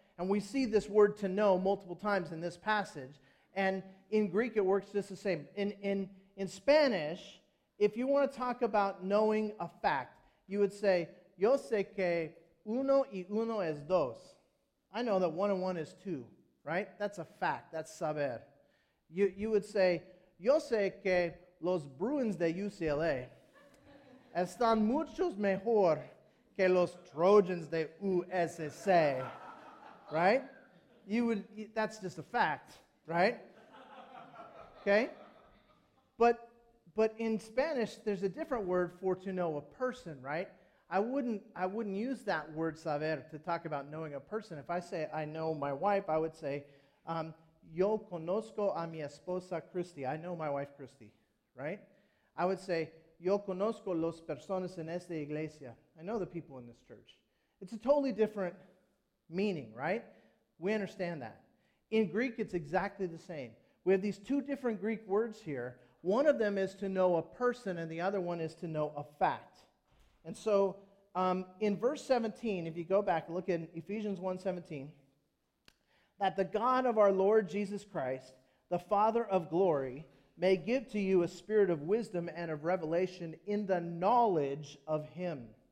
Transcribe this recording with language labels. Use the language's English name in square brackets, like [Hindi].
[English] And we see this word to know multiple times in this passage. And in Greek, it works just the same. In Spanish, if you want to talk about knowing a fact, you would say, [Spanish] yo sé que uno y uno es dos. [English] I know that one and one is two, right? That's a fact. That's saber. You would say, [Spanish] yo sé que los Bruins de UCLA están muchos mejor que los Trojans de USC, right? [English] That's just a fact, right? Okay? But in Spanish, there's a different word for to know a person, right? I wouldn't use that word saber to talk about knowing a person. If I say I know my wife, I would say, [Spanish] yo conozco a mi esposa Christy. [English] I know my wife Christy, right? I would say, [Spanish] yo conozco las personas en esta iglesia. [English] I know the people in this church. It's a totally different meaning, right? We understand that. In Greek, it's exactly the same. We have these two different Greek words here. One of them is to know a person, and the other one is to know a fact. And so, in verse 17, if you go back, look at Ephesians 1:17, that the God of our Lord Jesus Christ, the Father of glory, may give to you a spirit of wisdom and of revelation in the knowledge of Him.